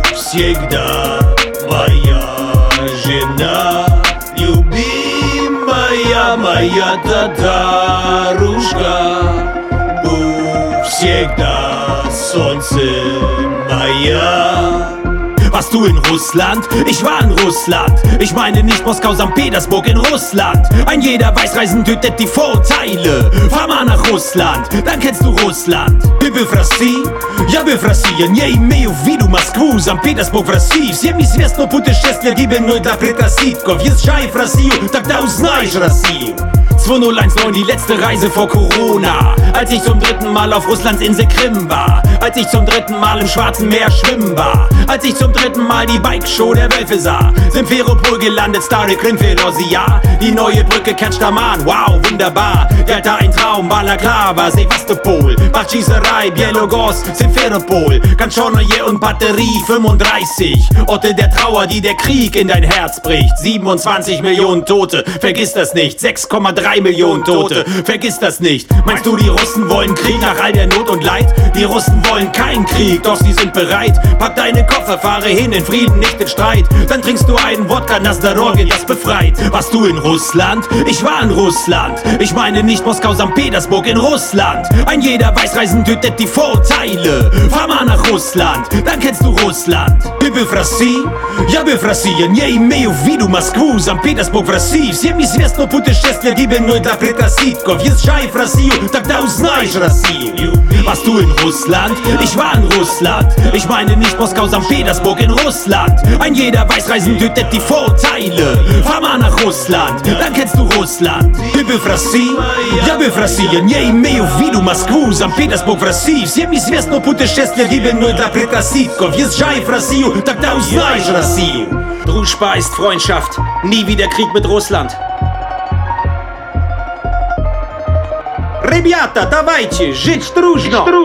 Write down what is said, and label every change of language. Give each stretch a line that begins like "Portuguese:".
Russian: Всегда моя жена, любимая моя татарушка, всегда солнце моя.
German: Warst du in Russland? Ich war in Russland. Ich meine nicht Moskau, St. Petersburg, in Russland. Ein jeder Weißreisen tötet die Vorurteile. Fahr mal nach Russland, dann kennst du Russland.
Russian: Ты был в России? Я был в России. Не имею в виду Москву, St. Petersburg, в России. Всем известно путешествие гибельное для предрассудков. Езжай в Россию, тогда узнаешь Россию.
German: 2019, die letzte Reise vor Corona. Als ich zum dritten Mal auf Russlands Insel Krim war. Als ich zum dritten Mal im Schwarzen Meer schwimmen war. Als ich zum dritten Mal die Bikeshow der Wölfe sah. Simferopol gelandet, Starry Krimfelosia. Die neue Brücke Ketschdaman, wow, wunderbar. Delta ein Traum, Balaklava, Sevastopol. Bachschießerei, Bielogos, Simferopol. Kanchonoje und Batterie 35. Orte der Trauer, die der Krieg in dein Herz bricht. 27 Millionen Tote, vergiss das nicht. 6,3 Millionen Tote, vergiss das nicht. Meinst du, die Russen wollen Krieg nach all der Not und Leid? Die Russen wollen keinen Krieg, doch sie sind bereit. Pack deine Koffer, fahre hin, in Frieden, nicht in Streit. Dann trinkst du einen Wodka, Nastaroge, das befreit. Warst du in Russland? Ich war in Russland. Ich meine nicht Moskau, St. Petersburg, in Russland. Ein jeder Weißreisen tötet die Vorurteile. Fahr mal nach Russland, dann kennst du Russland.
Russian: Ты был в России? Я был в России. Не имею в виду Москву, Санкт-Петербург в России. Всем известно путешествие гибельное до Притасидко. Въезжай в Россию, тогда узнаешь Россию.
German: Warst du in Russland? Ich war in Russland. Ich meine nicht Moskau, St. Petersburg, in Russland. Ein jeder Weißreisen tötet die Vorurteile. Fahr mal nach Russland, dann kennst du Russland.
Russian: Ты был в России? Я был в России. Не имею в виду Москву, Санкт-Петербург в России. Всем известно путешествие гибельное до Притасидко. Въезжай в Россию, тогда узнаешь Россию.
German: Дружба ist Freundschaft. Nie wieder Krieg mit Russland.
Russian: Ребята, давайте жить дружно.